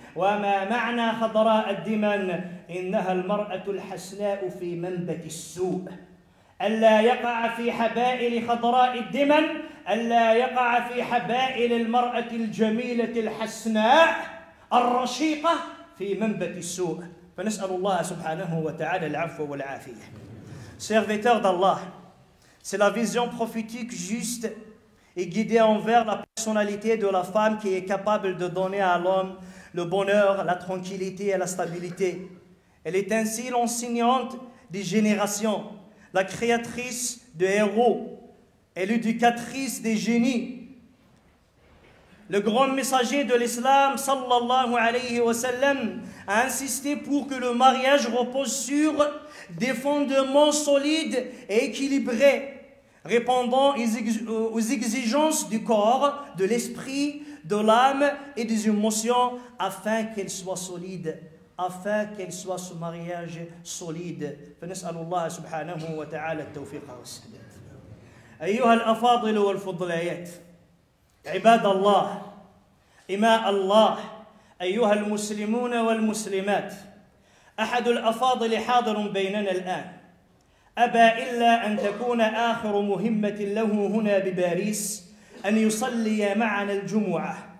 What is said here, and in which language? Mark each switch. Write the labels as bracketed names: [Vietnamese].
[Arabic] وما معنى خضراء الدمن؟ إنها المرأة الحسناء في منبت السوء. ألا يقع في حبائل خضراء الدمن، ألا يقع في حبائل المرأة الجميلة الحسناء الرشيقة في منبت السوء. فنسأل الله سبحانه وتعالى العفو والعافية. [French] Serviteur d'Allah, c'est la vision prophétique juste et guidée envers la personnalité de la femme qui est capable de donner à l'homme le bonheur, la tranquillité et la stabilité. Elle est ainsi l'enseignante des générations, la créatrice de héros et l'éducatrice des génies. Le grand messager de l'islam, sallallahu alayhi wa sallam, a insisté pour que le mariage repose sur des fondements solides et équilibrés, répondant aux exigences du corps, de l'esprit, de l'âme et des émotions, afin qu'elles soient solides, afin qu'elles soient ce mariage solide. [Arabic] فنسألالله سبحانه وتعالى التوفيق والسداد. أيها الأفاضل والفضليات. عباد الله، إماء الله، أيها المسلمون والمسلمات، أحد الأفاضل حاضر بيننا الآن، أبى إلا أن تكون آخر مهمة له هنا بباريس أن يصلي معنا الجمعة.